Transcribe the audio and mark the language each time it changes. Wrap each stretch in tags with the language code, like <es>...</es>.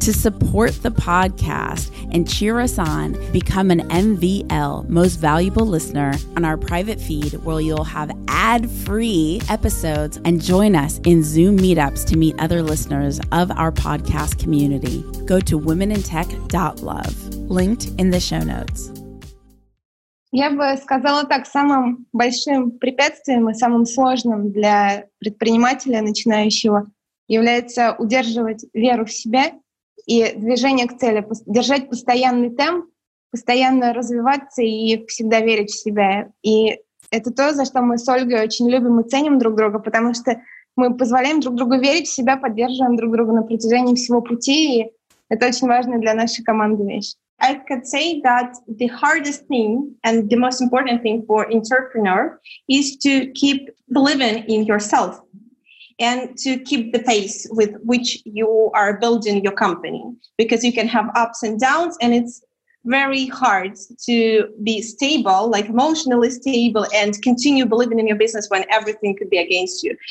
<en>To support the podcast and cheer us on, become an MVL, Most Valuable Listener, on our private feed where you'll have ad-free episodes and join us in Zoom meetups to meet other listeners of our podcast community. Go to womenintech.love, linked in the show notes.</en> <ru>Я бы сказала так, самым большим препятствием и самым сложным для предпринимателя начинающего является удерживать веру в себя и движение к цели, держать постоянный темп, постоянно развиваться и всегда верить в себя. И это то, за что мы с Ольгой очень любим и ценим друг друга, потому что мы позволяем друг другу верить в себя, поддерживаем друг друга на протяжении всего пути, и это очень важная для нашей команды вещь.</ru> <en>I could say that the hardest thing and the most important thing for entrepreneur is to keep believing in yourself and to keep the pace with which you are building your company, because you can have ups and downs, and it's very hard to be stable, like emotionally stable, and continue believing in your business when everything could be against you.</en>